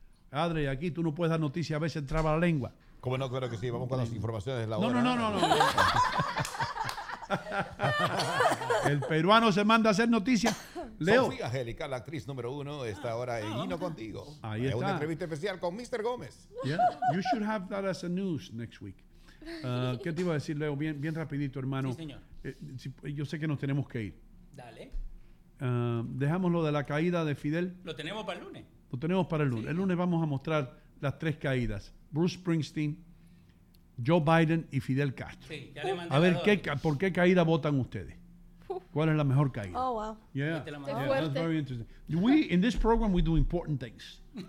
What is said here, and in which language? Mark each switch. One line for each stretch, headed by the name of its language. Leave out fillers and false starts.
Spanish: Adri, aquí tú no puedes dar noticias. A veces traba la lengua. Como no, claro que sí. Vamos con las informaciones de la no, hora. No. El peruano se manda a hacer noticias. Leo. Sofía Angélica, la actriz número uno, está ahora en Ino Contigo. Ahí está. Hay una entrevista especial con Mr. Gomez.
English: Yeah, you should have that as a news next week. ¿Qué te iba a decir, Leo? Bien, bien rapidito, hermano. Sí, señor. Yo sé que nos tenemos que ir. Dale. Dejamos lo de la caída de Fidel. Lo tenemos para el lunes. Lo tenemos para el lunes. Sí. El lunes vamos a mostrar las tres caídas. Bruce Springsteen, Joe Biden y Fidel Castro. Sí, ya le mandé a ver qué, por qué caída votan ustedes. ¿Cuál es la mejor caída? Oh, wow. Yeah.
Spanish: Te
English: yeah, that's very interesting. We, in this program, we do important things.